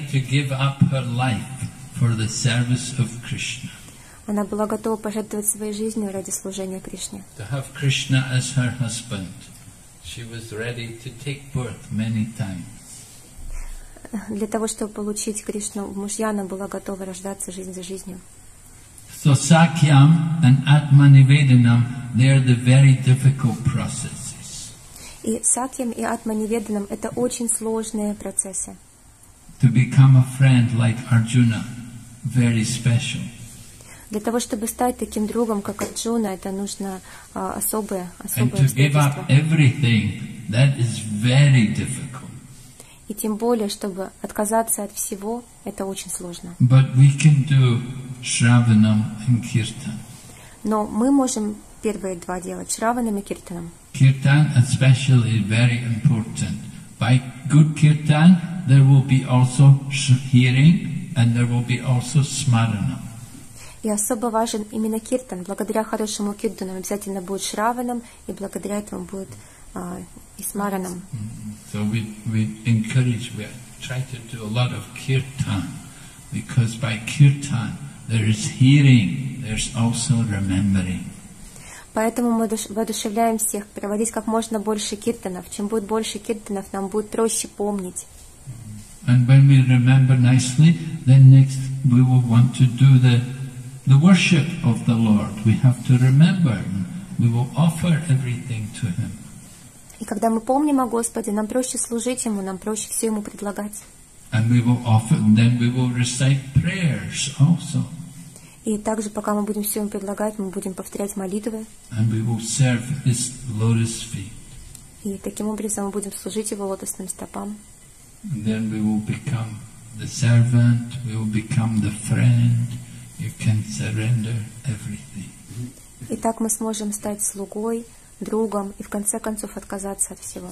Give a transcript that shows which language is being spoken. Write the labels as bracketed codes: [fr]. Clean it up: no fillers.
[en] She was ready to give up her life for the service of Krishna. [ru] Она была готова пожертвовать своей жизнью ради служения Кришне. [en] To have Krishna as her husband, she was ready to take birth many times. [ru] Для того, чтобы получить Кришну в мужья, она была готова рождаться жизнь за жизнью. [en] So Sakyam and Atmanivedanam, they are the very difficult processes. [ru] И Сакьям и Атманиведанам это очень сложные процессы. [en] To become a friend like Arjuna, very special. [ru] Для того, чтобы стать таким другом, как Арджуна, это нужно особое обстоятельство. [en] And to give up everything, that is very difficult. [ru] И тем более, чтобы отказаться от всего, это очень сложно. [en] But we can do Shravanam and Kirtan. [ru] Но мы можем первые два делать, Shravanam и Kirtanam. [en] Kirtan especially is very important. By good Kirtan, there will be also hearing, and there will be also Smaranam. [ru] И особо важен именно Киртан. Благодаря хорошему Киртану обязательно будет Shravanam, и благодаря этому будет и Смаранам. [en] So we encourage, we try to do a lot of kirtan, because by kirtan there is hearing, there's also remembering. [ru] Поэтому мы воодушевляем всех проводить как можно больше киртанов. Чем будет больше киртанов, нам будет проще помнить. [en] And when we remember nicely, then next we will want to do the worship of the Lord. We have to remember. We will offer everything to Him. [ru] И когда мы помним о Господе, нам проще служить Ему, нам проще все Ему предлагать. [en] And we will often, then we will recite prayers also. [ru] И также, пока мы будем все Ему предлагать, мы будем повторять молитвы. [en] And we will serve His lotus feet. [ru] И таким образом мы будем служить Его лотосным стопам. [en] And then we will become the servant, we will become the friend. You can surrender everything. [ru] И так мы сможем стать слугой, другом и в конце концов отказаться от всего.